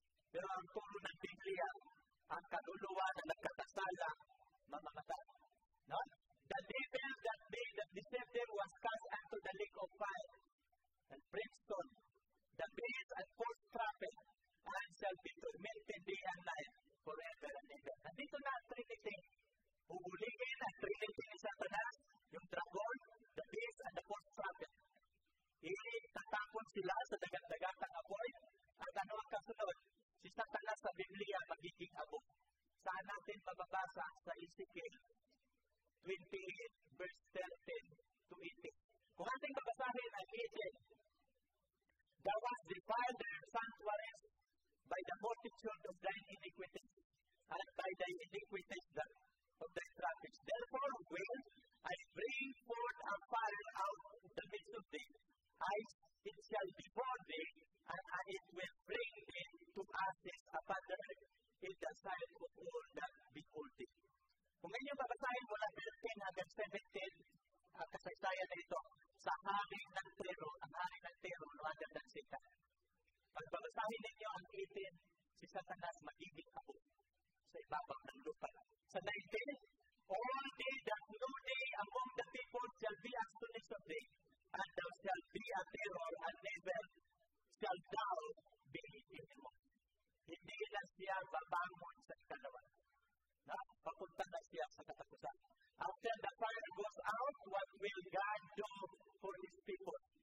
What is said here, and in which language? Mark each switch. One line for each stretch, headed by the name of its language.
Filipino: Pero ang tulo ng Biblia, ang kaluluwa na nagkatasala, mamamatay. No?
English: The devil that day that deceived them was cast unto the lake of fire and brimstone, the beast and false prophet, and shall be tormented day and night forever and ever.
Filipino: And dito na ang Trinity. Uhulingin ang Trinity ni Satanas, yung dragon,
English: the beast, and the false prophet.
Filipino: Itatapon sila sa dagat-dagat ng apoy. At ano ang kasunod? Si Satanas sa Biblia magiging abo. Saan natin mababasa sa Ezekiel 28 verse 13 to 18. Kung ating babasahin ang
English: Ezekiel, thou hast defiled their sanctuaries by the multitude of thine iniquities and by thy iniquities of thy traffic. Therefore will I bring forth a fire out of the midst of thee. It shall devour thee, and it will bring thee to ashes upon the earth in the sight of all that behold thee.
Filipino: Kung ngayon babasahin mula 13 hanggang 17, kasaysayan na ito, sa hari ng Tero, ang hari ng Tero,
English: rather than Satan.
Filipino: Pagbabasahin ninyo ang 18, si Satanas magiging abo sa ibabaw ng lupa. Sa 19,
English: all day that know thee among the people shall be as soon as of thee, and thou shall be a terror and never shall thou be in the world.
Filipino: Hindi na siya babangon sa ikalawa. No? Papunta na siya sa katapusan.
English: After the fire goes out, what will God do for his people?